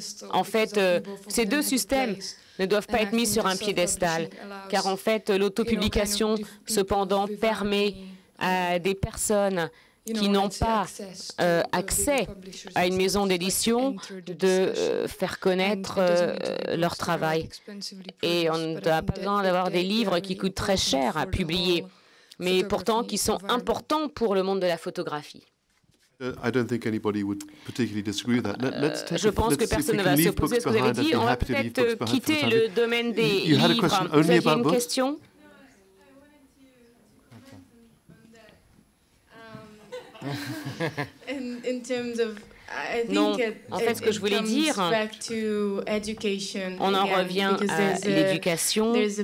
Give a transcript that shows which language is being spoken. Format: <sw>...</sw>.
<fr>En fait, ces deux systèmes ne doivent pas être mis sur un piédestal, car en fait, l'autopublication, cependant, permet à des personnes qui n'ont pas accès à une maison d'édition de faire connaître leur travail. Et on n'a pas besoin d'avoir des livres qui coûtent très cher à publier, mais pourtant qui sont importants pour le monde de la photographie.</fr> <en>I don't think anybody would particularly disagree with that.</en> <fr>Je pense que personne ne va s'opposer à ce que vous avez dit. On va peut-être quitter le domaine des livres.</fr> <en>You had a question only about books?</en> <fr>Non, en fait, ce que je voulais dire, on en revient à l'éducation.</fr>